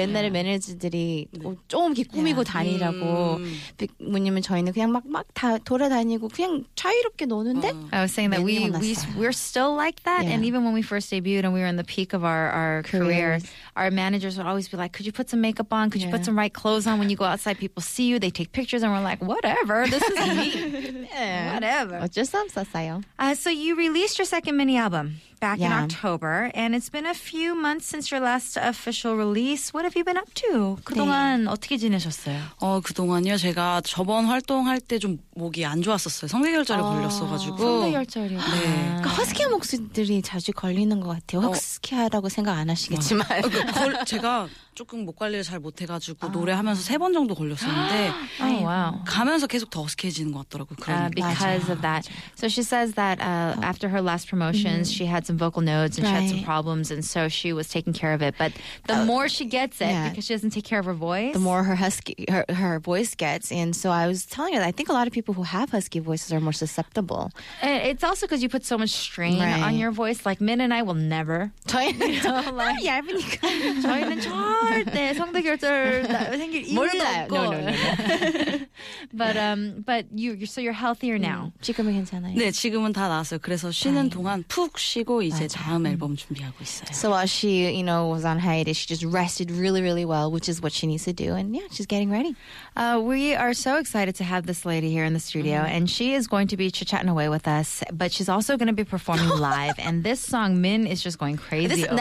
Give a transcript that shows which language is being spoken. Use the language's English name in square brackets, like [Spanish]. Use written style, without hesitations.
[Korean] 옛날에 매니저들이 조금 이렇게 꾸미고 다니라고. 왜냐면 저희는 그냥 막 다 돌아다니고 그냥 자유롭게 노는데 [English] I was saying that we're still like that yeah. and even when we first debuted and we were in the peak of our career our managers would always be like could you put some makeup on could you put some right clothes on when you go outside people see you they take pictures and we're like whatever this is me yeah. whatever [Korean] 어쩔 수 없었어요 [English] so you released your second mini album back in October and it's been a few months since your last official release what have you been up to [Korean] 그동안 네. 어떻게 지내셨어요 그동안요 제가 저번 활동할 때 좀 목이 안 좋았었어요. 성대결절에 걸렸어가지고. 성대결절이요. 네. 그러니까 허스키아 목소리들이 자주 걸리는 것 같아요. 허스키아라고 생각 안 하시겠지만. 제가 조금 목 관리를 잘 못해가지고 노래하면서 세 번 정도 걸렸었는데 [English] oh, wow. [Korean] 가면서 계속 더 허스키해지는 것 같더라고요. [English] Because of that. So she says that after her last promotions, she had some vocal nodes and she had some problems and so she was taking care of it. But the more she gets it, because she doesn't take care of her voice. The more her husky, her voice gets. And so I was telling her that I think a lot of people who have husky voices are more susceptible. It's also because you put so much strain on your voice. Like Min and I will never. [Korean] 저희는 얇으니까. 저희는 절대 성대결절 생길 이유도 없고. [English] But you're healthier now. [Korean] 지금은 괜찮아요. 네, 지금은 다 나았어요. 그래서 쉬는 동안 푹 쉬고 이제 다음 앨범 준비하고 있어요. [English] So while she, you know, was on hiatus, she just rested really, really well, which is what she needs to do. And yeah, she's getting ready. We are so excited to have this lady here in the studio, and she is going to be chit-chatting away with us, but she's also going to be performing live, and this song, Min, is just going crazy this